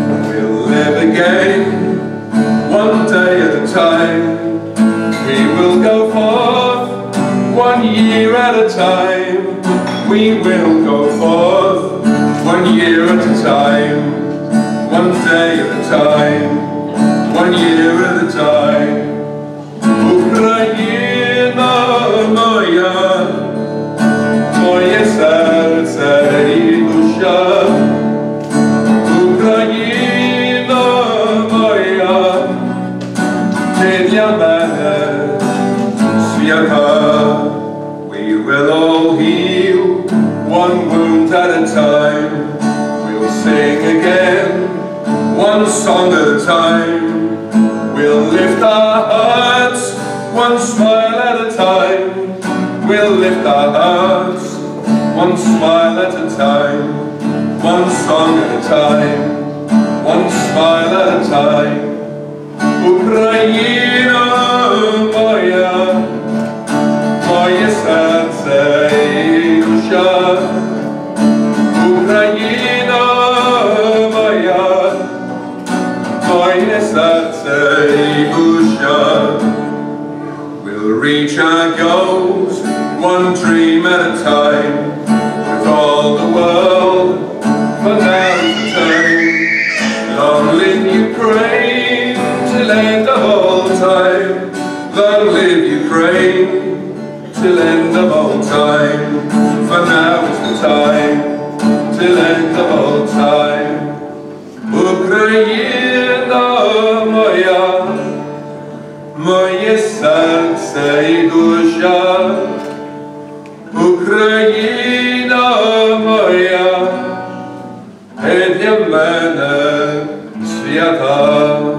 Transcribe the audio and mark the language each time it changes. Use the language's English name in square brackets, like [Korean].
[English] We'll live again, one day at a time. We will go forth, one year at a time. We will go forth, one year at a time. One day at a time, one year at a time. [Ukrainian] Україна моя, моє серце і душа. Україна моя, ти для мене свята. [English] We will all heal, one wound at a time. We'll sing again, one song at a time. We'll lift our hearts, one smile at a time. We'll lift our hearts, one smile at a time. One song at a time, one smile at a time. [Ukrainian] Україна моя, моє серце і душа. Україна моя, моє серце і душа. [English] We'll reach our goals, one dream at a time. With all the world, for now is the time. Long live Ukraine, till end of all time. Long live Ukraine, till end of all time. For now is the time, till end of all time. [Ukrainian] Ukraina moja, моє серце і душа. Україна моя, ти для мене свята.